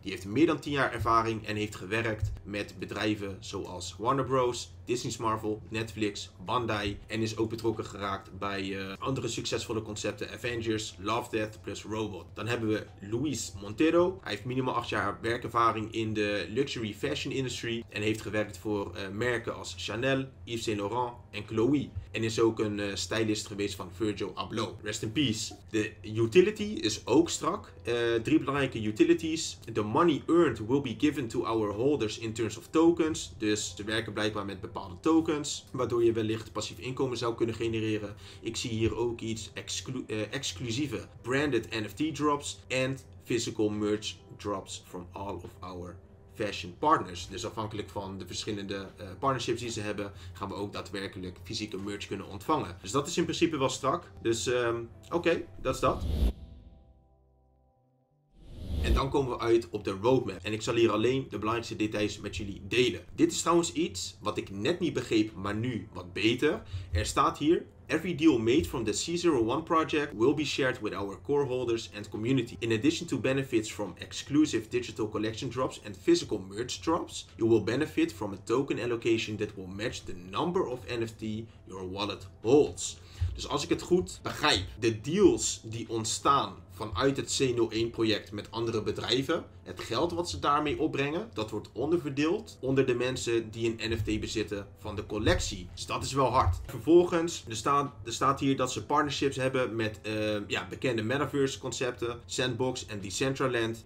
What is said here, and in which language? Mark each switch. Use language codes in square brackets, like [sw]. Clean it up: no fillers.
[nl] Die heeft meer dan 10 jaar ervaring en heeft gewerkt met bedrijven zoals Warner Bros., Disney's Marvel, Netflix, Bandai en is ook betrokken geraakt bij andere succesvolle concepten, Avengers, Love, Death plus Robot. Dan hebben we Luis Montero. Hij heeft minimaal 8 jaar werkervaring in de luxury fashion industry en heeft gewerkt voor merken als Chanel, Yves Saint Laurent en Chloe. En is ook een stylist geweest van Virgil Abloh. [en] Rest in peace. [nl] De utility is ook strak. 3 belangrijke utilities. [en] The money earned will be given to our holders in terms of tokens. [nl] Dus ze werken blijkbaar met bepaalde tokens. Waardoor je wellicht passief inkomen zou kunnen genereren. Ik zie hier ook iets exclusieve branded NFT drops. [en] En physical merch drops from all of our fashion partners. [nl] Dus afhankelijk van de verschillende partnerships die ze hebben, gaan we ook daadwerkelijk fysieke merch kunnen ontvangen. Dus dat is in principe wel strak. Dus dat is dat. En dan komen we uit op de roadmap. En ik zal hier alleen de belangrijkste details met jullie delen. Dit is trouwens iets wat ik net niet begreep, maar nu wat beter. Er staat hier: [en] every deal made from the C01 project will be shared with our core holders and community. In addition to benefits from exclusive digital collection drops and physical merch drops, you will benefit from a token allocation that will match the number of NFT your wallet holds. [nl] Dus als ik het goed begrijp, de deals die ontstaan vanuit het C01 project met andere bedrijven, het geld wat ze daarmee opbrengen, dat wordt onderverdeeld onder de mensen die een NFT bezitten van de collectie. Dus dat is wel hard. Vervolgens, er staat hier dat ze partnerships hebben met bekende metaverse concepten, Sandbox en Decentraland.